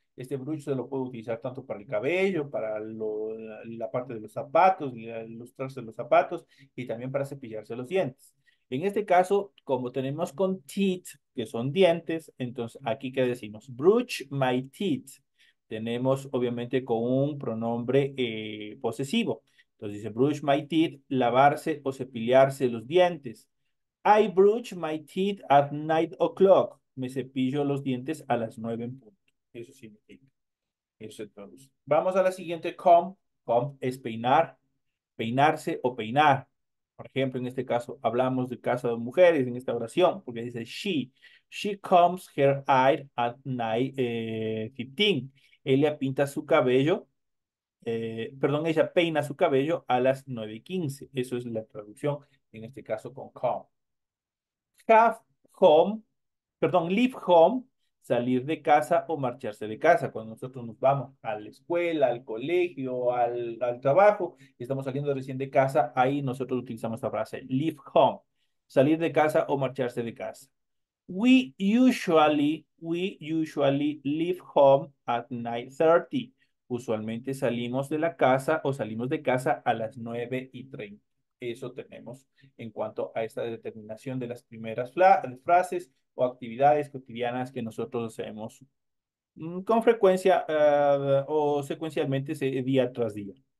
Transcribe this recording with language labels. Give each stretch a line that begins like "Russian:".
Spanish: Este brush se lo puede utilizar tanto para el cabello, para la parte de los zapatos, lustrarse los zapatos y también para cepillarse los dientes. En este caso, como tenemos con teeth, que son dientes, entonces aquí qué decimos,
English: brush my teeth.
Spanish: Tenemos obviamente con un pronombre posesivo. Entonces dice,
English: brush my teeth,
Spanish: lavarse o cepillarse los dientes.
English: I brush my teeth at 9 o'clock.
Spanish: Me cepillo los dientes a las 9 en punto. Eso significa. Eso entonces. Vamos a la siguiente. Comb. Comb es peinar. Peinarse o peinar. Por ejemplo, en este caso, hablamos del caso de mujeres en esta oración, porque dice she.
English: She combs her hair at 9:15.
Spanish: Ella pinta su cabello. Perdón, ella peina su cabello a las 9:15. Eso es la traducción en este caso con comb.
English: Have home,
Spanish: perdón,
English: leave home,
Spanish: salir de casa o marcharse de casa. Cuando nosotros nos vamos a la escuela, al colegio, al trabajo, y estamos saliendo recién de casa, ahí nosotros utilizamos esta frase,
English: leave home,
Spanish: salir de casa o marcharse de casa.
English: We usually leave home at 9:30.
Spanish: Usualmente salimos de la casa o salimos de casa a las 9:30. Eso tenemos en cuanto a esta determinación de las primeras frases o actividades cotidianas que nosotros hacemos con frecuencia o secuencialmente día tras día.